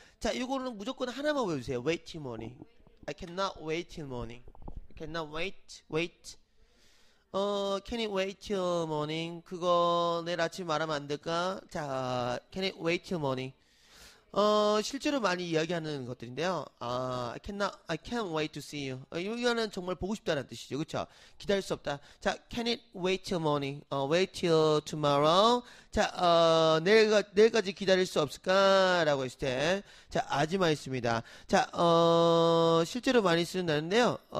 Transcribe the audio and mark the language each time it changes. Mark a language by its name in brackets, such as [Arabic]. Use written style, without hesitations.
[Korean] 자, 이거는 무조건 하나만 외우세요. [English] Wait till morning. I cannot wait till morning. I cannot wait, wait. Can it wait till morning? [Korean] 그거 내일 아침에 말하면 안 될까? [English] 자, can it wait till morning? [Korean] 실제로 많이 이야기하는 것들인데요. [English] I cannot, I can't wait to see you. [Korean] 이거는 정말 보고 싶다는 뜻이죠. 그쵸? 기다릴 수 없다. [English] 자, can it wait till morning? Wait till tomorrow? [Korean] 자, 내일까지 기다릴 수 없을까? 라고 했을 때. 자, 아줌마 있습니다. 자, 실제로 많이 쓰는다는데요.